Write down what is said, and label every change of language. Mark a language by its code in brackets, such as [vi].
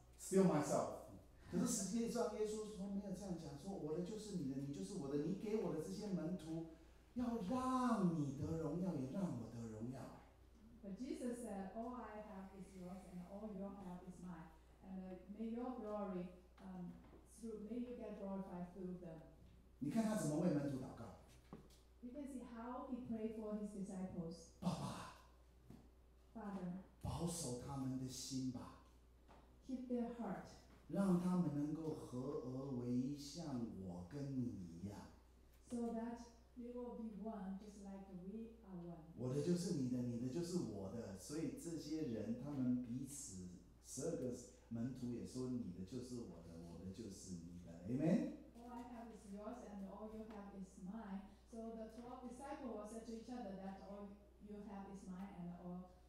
[en] Still myself. [zh] 可是实际上耶稣没有这样讲，说我的就是你的，你就是我的，你给我的这些门徒，要让你得荣耀，也让我得荣耀。 [en] But Jesus said, "All I have is yours, and all you have is mine. And may your glory, may you get glorified through them." [zh] 你看他怎么为门徒祷告。 [en] You can see how he prayed for his disciples. [zh] 爸爸。 [en] Father, [zh] 保守他们的心吧 [en] ，keep their heart， [zh] 让他们能够合而为一，像我跟你一样 [en] ，so that we will be one, just like we are one。 [zh] 我的就是你的，你的就是我的，所以这些人他们彼此十二个门徒也说，你的就是我的，我的就是你的 ，Amen。 [en] All I have is yours, and all you have is mine. So the 12 disciples said to each other that all you have is mine, and all。